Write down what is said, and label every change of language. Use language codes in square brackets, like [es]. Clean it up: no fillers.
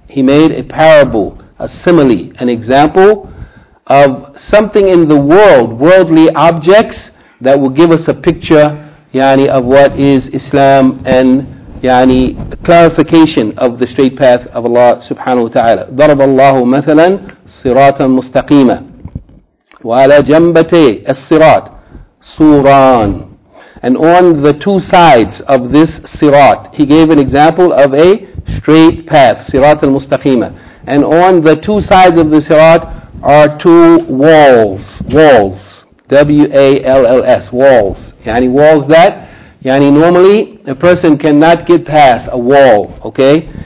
[en] He made a parable, a simile, an example of something in the world, worldly objects, that will give us a picture, yani, of what is Islam, and yani a clarification of the straight path of Allah subhanahu wa ta'ala. [ar] ضَرَبَ اللَّهُ مَثَلًا صِرَاطًا مُسْتَقِيمًا وَعَلَى جَنْبَتَي الصِّرَاطِ صُورًا. [en] And on the two sides of this sirat, He gave an example of a straight path, [ar] صِرَاط الْمُسْتَقِيمًا. [en] And on the two sides of the sirat are two walls. W-A-L-L-S, walls. Yani walls that, yani normally a person cannot get past a wall, okay?